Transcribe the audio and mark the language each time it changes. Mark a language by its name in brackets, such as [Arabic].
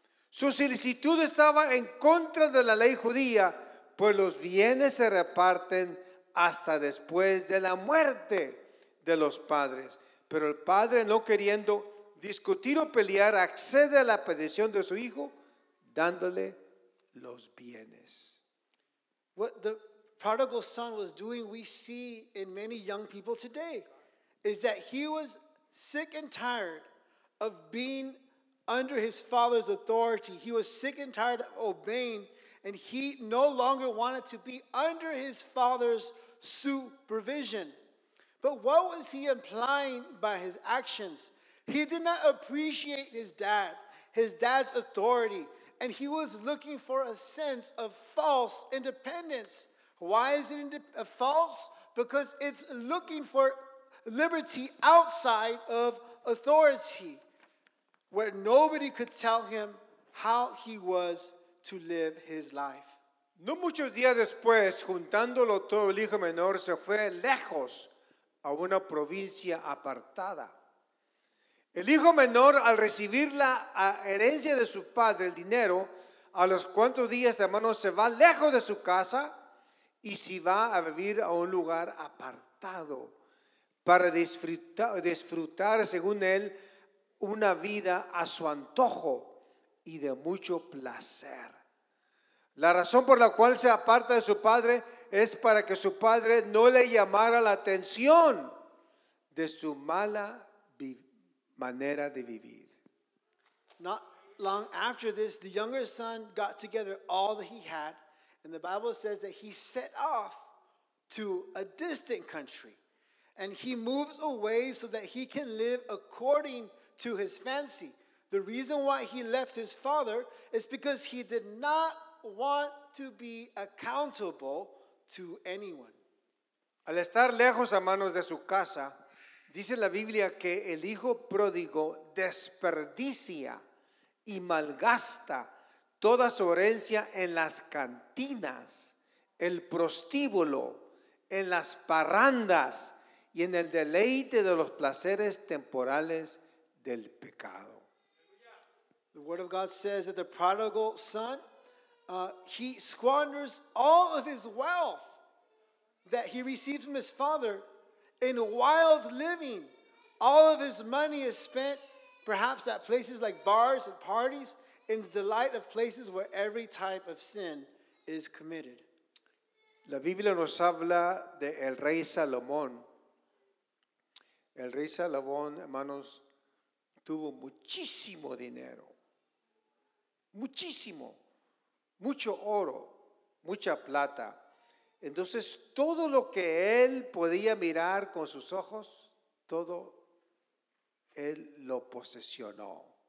[Spanish] Su solicitud estaba en contra de la ley judía, pues los bienes se reparten hasta después de la muerte de los padres. Pero el padre, no queriendo discutir o pelear, accede a la petición de su hijo, dándole los bienes. [English] What the prodigal son was doing, we see in many young people today, is that he was sick and tired of being under his father's authority. He was sick and tired of obeying, and he no longer wanted to be under his father's supervision. But what was he implying by his actions? He did not appreciate his dad's authority, and he was looking for a sense of false independence. Why is it false? Because it's looking for liberty outside of authority, where nobody could tell him how he was to live his life. [Spanish] No muchos días después, juntándolo todo, el hijo menor se fue lejos a una provincia apartada. El hijo menor, al recibir la herencia de su padre, el dinero, a los cuantos días, hermano, se va lejos de su casa y se va a vivir a un lugar apartado para disfrutar, según él, una vida a su antojo y de mucho placer. La razón por la cual se aparta de su padre es para que su padre no le llamara la atención de su mala manera de vivir. [English] Not long after this, the younger son got together all that he had, and the Bible says that he set off to a distant country, and he moves away so that he can live according to his fancy. The reason why he left his father is because he did not want to be accountable to anyone. [Spanish] Al estar lejos a manos de su casa, dice la Biblia que el hijo pródigo desperdicia y malgasta toda su herencia en las cantinas, el prostíbulo, en las parrandas y en el deleite de los placeres temporales del pecado. [English] The word of God says that the prodigal son, he squanders all of his wealth that he received from his father in wild living. All of his money is spent perhaps at places like bars and parties, in the delight of places where every type of sin is committed. [Spanish] La Biblia nos habla de el rey Salomón. El rey Salomón, hermanos, tuvo muchísimo dinero. Muchísimo. Mucho oro, mucha plata. Entonces, todo lo que él podía mirar con sus ojos, todo él lo posesionó.